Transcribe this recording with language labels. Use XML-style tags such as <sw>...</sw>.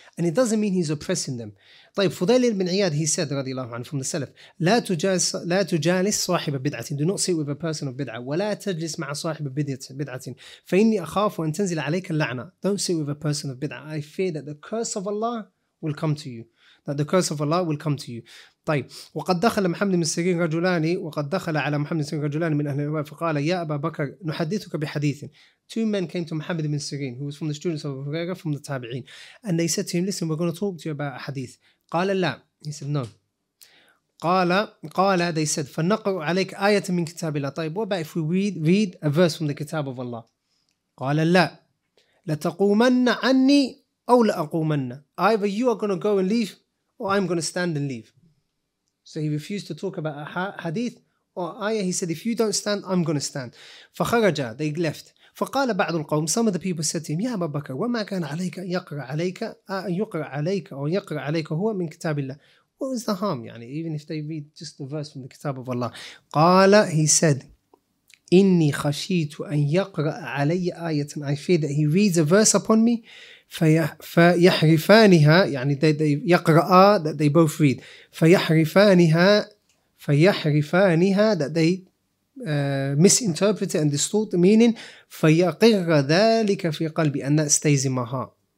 <en>And it doesn't mean he's oppressing them. طيب. Fudail ibn Iyad, he said,</en> <ar>رضي الله عنه,</ar> <en>from the Salaf,</en> <ar>لا تجالس صاحب بدعة,</ar> <en>do not sit with a person of بدعة,</en> <ar>ولا تجلس مع صاحب بدعة, فإني أخاف أن تنزل عليك اللعنة,</ar> <en>don't sit with a person of بدعة, I fear that the curse of Allah will come to you. That the curse of Allah will come to you.</en> <ar>طيب. وقد دخل محمد بن سيرين رجلان وقد دخل على محمد بن سيرين رجلان من أهل الأهواء فقال يا أبا بكر نحدثك بحديث.</ar> <en>Two men came to Muhammad ibn Sirin, who was from the students of Hurairah, from the Tabi'een, and they said to him, listen, we're going to talk to you about a hadith.</en> <ar>قال لا.</ar> <en>He said no.</en> <ar>قال,</ar> <en>they said,</en> <ar>فنقر عليك آية من كتاب الله. طيب,</ar> <en>what about if we read a verse from the Kitab of Allah?</en> <ar>قال لا. لتقومن عني أو لأقومن.</ar> <en>Either you are going to go and leave, or I'm going to stand and leave. So he refused to talk about a hadith or ayah. He said, if you don't stand, I'm going to stand.</en> <ar>فخرجه,</ar> <en>they left.</en> <ar>فقال بعض القوم,</ar> <en>some of the people said to him,</en> <ar>يا أبا بكر وما كان عليك يقرأ عليك هو من كتاب الله.</ar> <en>What is the harm? يعني, even if they read just the verse from the Kitab of Allah.</en> <ar>قال,</ar> <en>he said,</en> <ar>إني خشيت أن يقرأ علي آية.</ar> <en>I fear that he reads a verse upon me.</en> <ar>فيحرفانها,</ar> <en>يعني they</en> <ar>يقرأ,</ar> <en>that they both read. فيحرفانها, that they misinterpret it and distort the meaning.</en> <ar>فيقر ذلك في قلبي,</ar> <en>and that stays in my heart.</en>